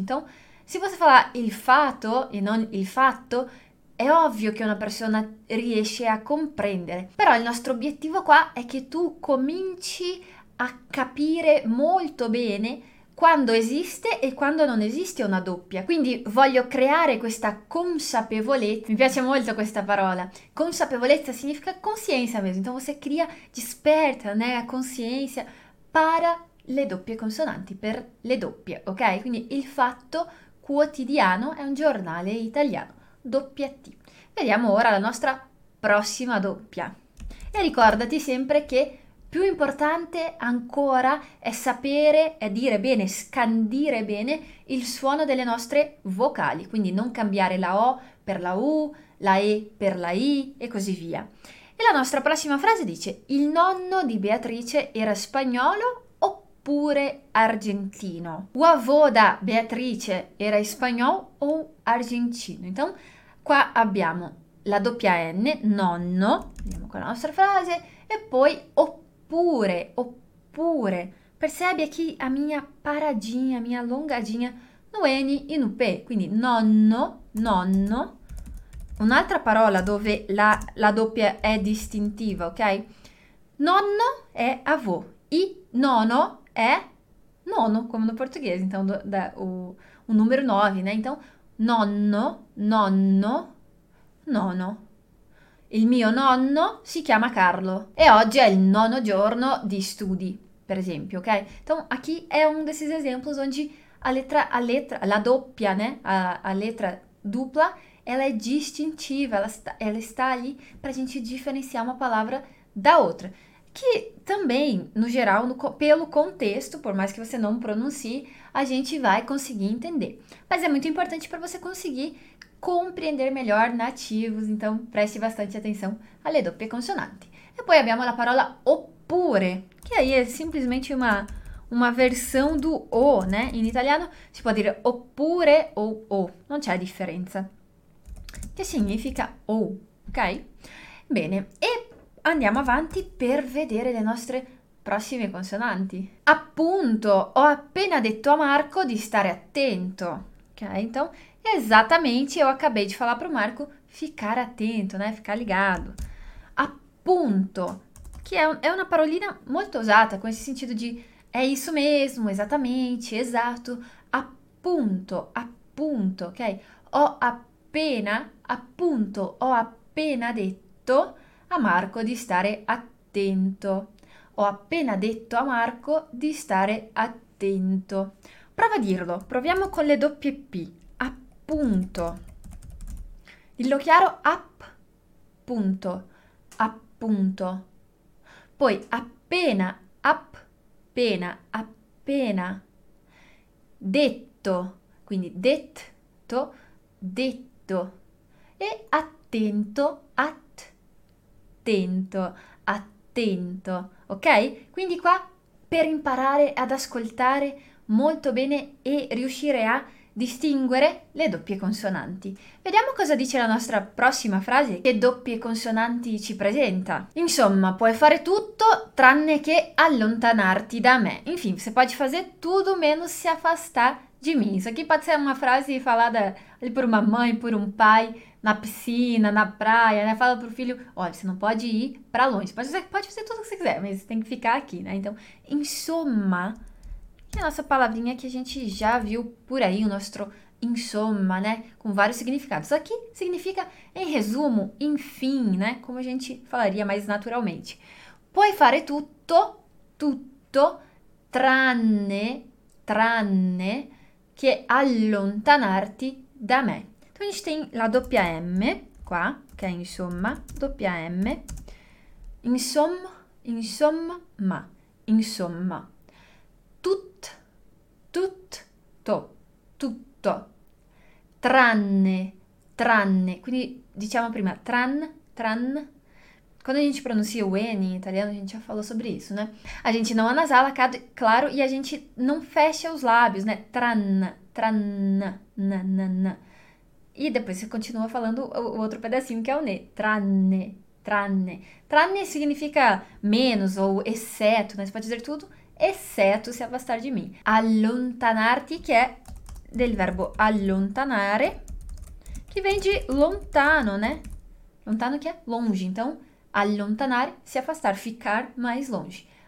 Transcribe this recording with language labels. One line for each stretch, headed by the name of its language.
Portuguese: Então, se você falar
Italian: il fato e non il fatto, è ovvio che una persona riesce a comprendere. Però il nostro obiettivo qua è che tu cominci a capire molto bene quando esiste e quando non esiste una doppia. Quindi voglio creare questa consapevolezza. Mi piace molto questa parola. Consapevolezza significa
Portuguese: consciência mesmo. Então você cria, desperta, né, a consciência para
Italian: le doppie consonanti, per le doppie,
Portuguese: ok?
Italian: Quindi il fatto quotidiano è un giornale italiano, doppia T. Vediamo ora la nostra prossima doppia. E ricordati sempre che più importante ancora è sapere, è dire bene, scandire bene il suono delle nostre vocali, quindi non cambiare la O per la U, la E per la I e così via. E la nostra prossima frase dice: il nonno di Beatrice era spagnolo oppure argentino.
Portuguese: O avô da Beatrice era espanhol ou argentino?
Italian: Então, qua abbiamo la doppia N, nonno, andiamo con la nostra frase, e poi oppure.
Portuguese: Percebe aqui a minha paradinha, a minha alongadinha no N e no P.
Italian: Quindi nonno, nonno. Un'altra parola dove la doppia è distintiva, ok? Nonno è avô. I nono è nono, come no portoghese,
Portuguese: então o numero 9, né? Então, nonno, nonno, nono.
Italian: Il mio nonno si chiama Carlo. E oggi è il nono giorno di studi, per esempio, ok?
Portuguese: Então, aqui è uno desses exemplos onde la doppia, né? A lettera dupla, ela è distintiva, ela
Italian: sta lì
Portuguese: pra gente
Italian: differenziare una parola
Portuguese: da outra. Que também, no geral, pelo contexto, por mais que você não pronuncie, a gente vai conseguir entender. Mas é muito importante para você conseguir compreender melhor nativos, então preste bastante atenção
Italian: alle doppie consonanti. E poi abbiamo la parola oppure, che
Portuguese: aí é simplesmente uma versão do o, né? Em italiano
Italian: si può dire oppure
Portuguese: ou o,
Italian: non c'è differenza. Che significa ou, ok? Bene, e andiamo avanti per vedere le nostre prossime consonanti. Appunto, ho appena detto a Marco di stare attento.
Portuguese: Ok? Então,
Italian: esattamente, io
Portuguese: acabei di falar pro Marco ficare attento, né? Ficar ligado.
Italian: Appunto, che è una parolina molto usata, con il senso di
Portuguese: É isso mesmo, exatamente, exato.
Italian: Appunto, appunto, ok? Ho appena detto a Marco di stare attento. Ho appena detto a Marco di stare attento. Prova a dirlo, proviamo con le doppie P. Appunto. Dillo chiaro, appunto, appunto. Poi appena, appena detto, quindi detto, detto, e attento, attento, attento, ok? Quindi qua per imparare ad ascoltare molto bene e riuscire a distinguere le doppie consonanti. Vediamo cosa dice la nostra prossima frase, che doppie consonanti ci presenta. Insomma, puoi fare tutto tranne che allontanarti da me.
Portuguese: Enfim, você pode fazer tudo menos se afastar de mim. Isso aqui pode ser uma frase falada ali por uma mãe, por um pai, na piscina, na praia, né? Fala pro filho: olha, você não pode ir para longe. Pode fazer tudo o que você quiser, mas você tem que ficar aqui, né? Então, insomma. Que é a nossa palavrinha que a gente já viu por aí, o nosso insomma, né? Com vários significados. Aqui significa, em resumo, enfim, né? Como a gente falaria mais naturalmente.
Italian: Puoi fare tutto, tutto, tranne, tranne che allontanarti da me.
Portuguese: Tu a gente tem
Italian: la doppia M qua, che è insomma, doppia M. Insomma, insomma, ma, insomma. Tutto, tutto, tranne, tranne, quindi diciamo prima tran, tran,
Portuguese: quando a gente pronuncia o N in italiano, a gente já falou sobre isso, né? A gente não anasala, claro, e a gente não fecha os lábios, né? Tran, tran, nan, nan. E depois você continua falando o outro pedacinho que é o ne,
Italian: tranne, tranne.
Portuguese: Tranne significa menos ou exceto, né? Você pode dizer tudo. Esseto se afastar de mim.
Italian: Allontanarti, che è del verbo allontanare, che
Portuguese: vem
Italian: di lontano, né? Lontano che è longe.
Portuguese: Então, allontanare, se afastar, ficar mais longe.